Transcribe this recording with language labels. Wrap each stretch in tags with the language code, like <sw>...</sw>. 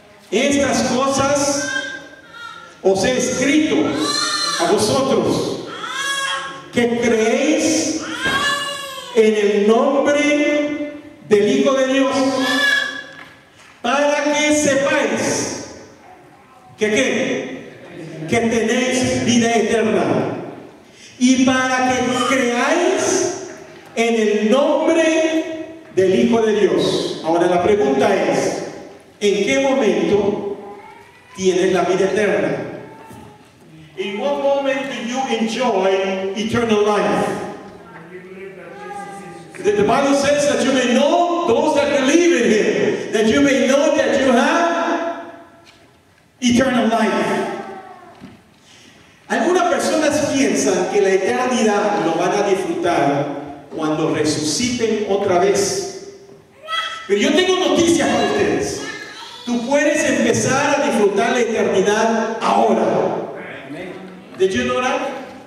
<es>Estas cosas os he escrito a vosotros que creéis en el nombre del Hijo de Dios, para que sepáis que qué, que tenéis vida eterna, y para que creáis en el nombre del Hijo de Dios. Ahora la pregunta es, ¿en qué momento tienes la vida eterna?</es> <en>In what moment do you enjoy eternal life? The Bible says that you may know those that believe in Him, that you may know that you have eternal life.</en> <es>Algunas personas piensan que la eternidad lo van a disfrutar cuando resuciten otra vez. Pero yo tengo noticias para ustedes. Tú puedes empezar a disfrutar la eternidad ahora. ¿De qué hora?</es>